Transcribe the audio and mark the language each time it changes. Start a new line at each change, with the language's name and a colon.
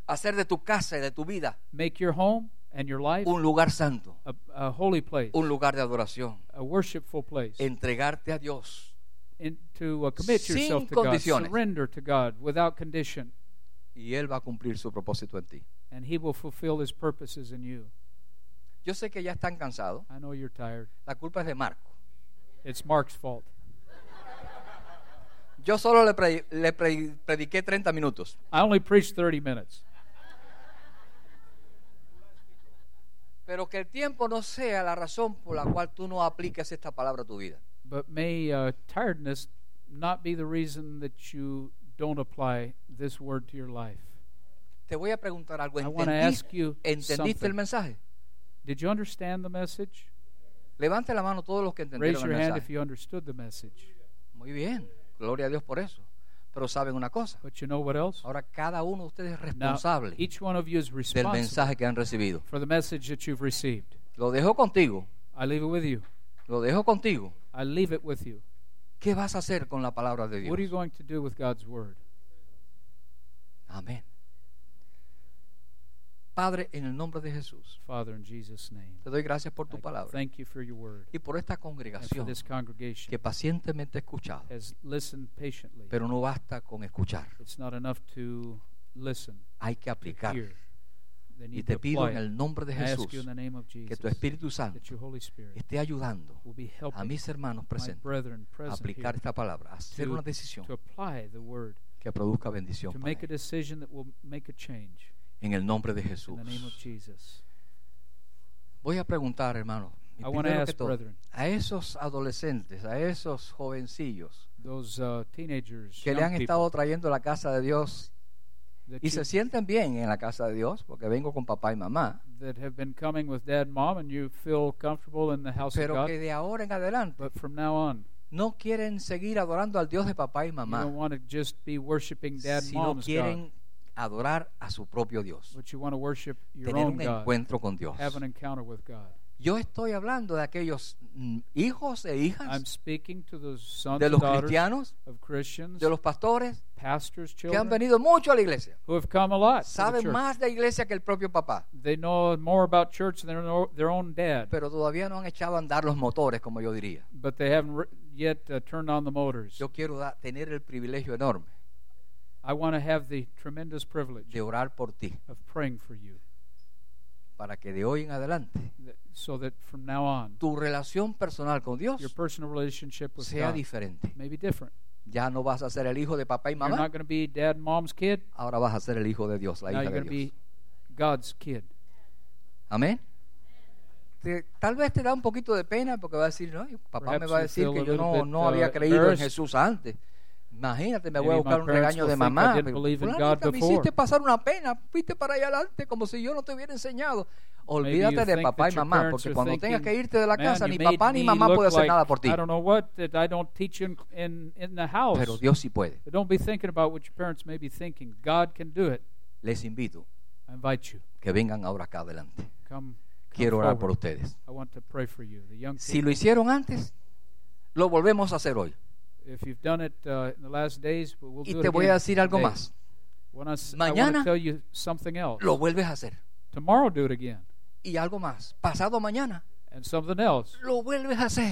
Spanish: Hacer de tu casa y de tu vida
English: make your home and your life
Spanish: un lugar santo
English: a holy place
Spanish: un lugar de adoración
English: a worshipful place
Spanish: entregarte a Dios
English: to commit yourself to God, surrender to God without condition.
Spanish: y él va a cumplir su propósito en ti.
English: And he will fulfill his purposes in you.
Spanish: Yo sé que ya están cansados.
English: I know you're tired.
Spanish: La culpa es de Marco.
English: It's Mark's fault.
Spanish: Yo solo le prediqué 30 minutos.
English: I only preached 30 minutes.
Spanish: Pero que el tiempo no sea la razón por la cual tú no apliques esta palabra a tu vida.
English: But may tiredness not be the reason that you don't apply this word to your life.
Spanish: Te voy a preguntar algo.
English: I want to ask you,
Spanish: ¿entendiste el mensaje?
English: Did you understand the message?
Spanish: Levante la mano todos los que entendieron el mensaje.
English: Raise your hand if you understood the message.
Spanish: Muy bien. Gloria a Dios por eso. Pero saben una cosa.
English: But you know what else?
Spanish: Ahora cada uno de ustedes es responsable.
English: Now, each one of you is responsible
Spanish: del mensaje que han recibido.
English: For the message that you've received.
Spanish: Lo dejo contigo.
English: I leave it with you.
Spanish: Lo dejo contigo.
English: I leave it with you.
Spanish: ¿Qué vas a hacer con la palabra de Dios?
English: What are you going to do with God's word?
Spanish: Amén. Padre, en el nombre de Jesús.
English: Father, in Jesus' name.
Spanish: Te doy gracias por tu palabra.
English: Thank you for your word.
Spanish: Y por esta congregación.
English: And for this congregation.
Spanish: Que pacientemente escucha.
English: Has listened patiently.
Spanish: Pero no basta con escuchar.
English: It's not enough to listen.
Spanish: Hay que aplicar. Y te pido
English: apply.
Spanish: En el nombre de Jesús.
English: I ask you in the name of Jesus.
Spanish: Que tu Espíritu Santo.
English: That your Holy Spirit.
Spanish: Esté ayudando.
English: Will be helping
Spanish: a mis hermanos presentes.
English: My brethren present
Spanish: a aplicar
English: here
Spanish: esta palabra. A hacer una decisión.
English: To apply the word.
Spanish: Que produzca bendición
English: to
Spanish: para
English: make
Spanish: él.
English: A decision that will make a change.
Spanish: En el nombre de Jesús.
English: In the name of Jesus.
Spanish: Voy a preguntar, hermano.
English: I want to ask, brethren,
Spanish: a esos adolescentes, a esos jovencillos,
English: those, teenagers,
Spanish: que le han estado trayendo a la casa de Dios y se sienten bien en la casa de Dios porque vengo con papá y mamá,
English: that have been coming with dad and mom and you feel comfortable in the house
Spanish: pero
English: of God,
Spanish: que de ahora en adelante,
English: but from now on,
Spanish: no quieren seguir adorando al Dios de papá y mamá,
English: you don't want to just be worshiping dad and mom's
Spanish: sino quieren adorar a su propio Dios.
English: But you want to worship your
Spanish: tener
English: own
Spanish: un encuentro
English: God,
Spanish: con Dios.
English: Have an encounter with God.
Spanish: Yo estoy hablando de aquellos hijos e hijas,
English: I'm speaking to those sons,
Spanish: de los cristianos,
English: of Christians,
Spanish: de los pastores,
English: pastors, children,
Spanish: que han venido mucho a la iglesia,
English: who have come a lot,
Spanish: saben más de la iglesia que el propio papá,
English: they know more about church than their own dad,
Spanish: pero todavía no han echado a andar los motores, como yo diría.
English: But they haven't yet turned on the motors.
Spanish: Yo quiero tener el privilegio enorme.
English: I want to have the tremendous privilege
Spanish: de orar por ti,
English: of praying for you,
Spanish: para que de hoy en adelante,
English: so that from now on,
Spanish: tu relación personal con Dios,
English: your personal relationship with
Spanish: sea
English: God
Spanish: diferente.
English: Maybe different.
Spanish: Ya no vas a ser el hijo de papá y mamá.
English: You're not going to be dad and mom's kid.
Spanish: Ahora vas a ser el hijo de Dios, la
English: now
Spanish: hija
English: you're
Spanish: de Dios.
English: Be God's kid.
Spanish: Amén. Tal vez te da un poquito de pena porque va a decir, no, papá perhaps me va a decir que yo no había creído en Jesús antes. Imagínate, me maybe voy a buscar un regaño de mamá. Claro, me hiciste pasar una pena, fuiste para allá adelante como si yo no te hubiera enseñado. Olvídate de papá y mamá, porque cuando tengas que irte de la casa, ni papá ni mamá puede hacer nada por ti.
English: I don't know what, that I don't teach in the house.
Spanish: Pero Dios sí puede.
English: But don't be thinking about what your parents may be thinking. God can do it.
Spanish: Les invito.
English: I invite you.
Spanish: Que vengan ahora acá adelante.
English: Come
Spanish: quiero orar
English: forward
Spanish: por ustedes.
English: I want to pray for you, the young people.
Spanish: Si lo hicieron antes, lo volvemos a hacer hoy.
English: If you've done it in the last days, we'll do it again.
Spanish: Y te voy a decir algo más. Mañana
English: I tell you something else.
Spanish: Lo vuelves a hacer.
English: Tomorrow do it again.
Spanish: Y algo más. Pasado mañana.
English: And something else.
Spanish: Lo vuelves a hacer.